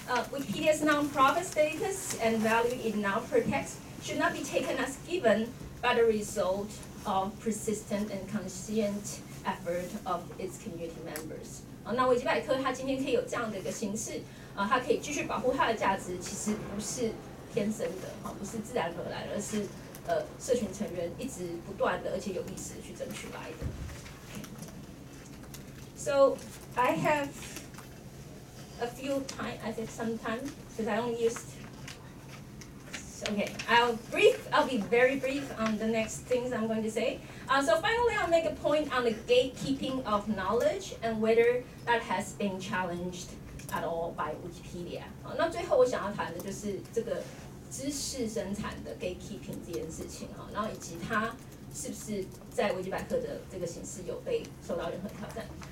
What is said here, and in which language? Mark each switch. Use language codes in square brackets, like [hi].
[en] Wikipedia's non-profit status and value it now protects should not be taken as given. But a result of persistent and conscient effort of its community members. [zh] 那维基百科它今天可以有这样的一个形式，它可以继续保护它的价值，其实不是天生的，不是自然而然，而是社群成员一直不断的而且有意识去争取来的。 [en] So I have a few time, I think some time, because I only used. Okay, I'll be very brief on the next things I'm going to say. So finally, I'll make a point on the gatekeeping of knowledge and whether that has been challenged at all by Wikipedia. [zh] 那最后我想要谈的就是这个知识生产的 gatekeeping 这件事情，然后以及它是不是在维基百科的这个形式有被受到任何挑战。